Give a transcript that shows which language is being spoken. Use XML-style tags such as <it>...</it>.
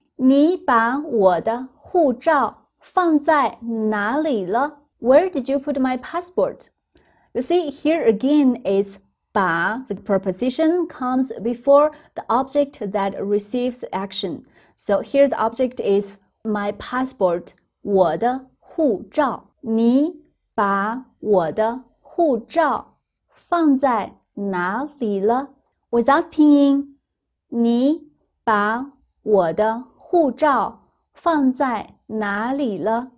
<zh>你把我的护照放在哪里了？</zh> <en>Where did you put my passport? You see, here again is 把 the preposition comes before the object that receives action. So here the object is my passport,</en> <zh>我的护照。你把我的护照放在哪里了？</zh> <en>Without 拼音，</en> <zh>你把我的护照放在哪里了？</zh>